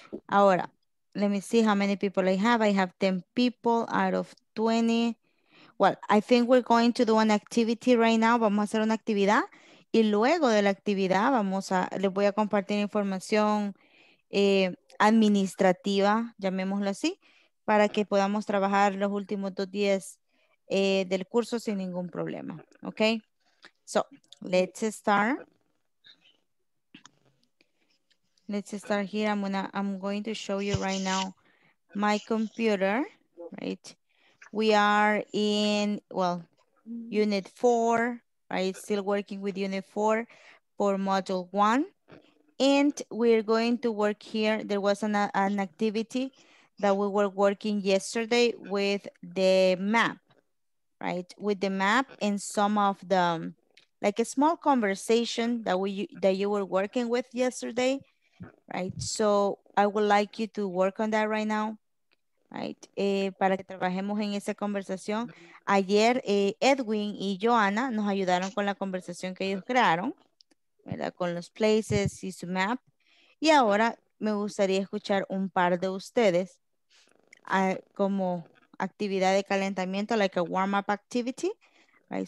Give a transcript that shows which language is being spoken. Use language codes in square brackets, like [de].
[es] Ahora, [en] let me see how many people I have. I have 10 people out of 20. Well, I think we're going to do an activity right now. [es] Vamos a hacer una actividad. Y luego de la actividad, les voy a compartir información administrativa, llamémoslo así, para que podamos trabajar los últimos 2 días del curso sin ningún problema. [en] Ok, so let's start here. I'm going to show you right now my computer, right? We are in, well, unit 4, right? Still working with unit 4 for module 1. And we're going to work here. There was an activity that we were working yesterday with the map, right? With the map and some of the, like a small conversation that you were working with yesterday, right? So I would like you to work on that right now, right? [es] Para que trabajemos en esa conversación. Ayer Edwin y Joana nos ayudaron con la conversación que ellos crearon, ¿verdad? Con los places y su map. Y ahora me gustaría escuchar un par de ustedes como actividad de calentamiento, [en] like a warm-up activity, right?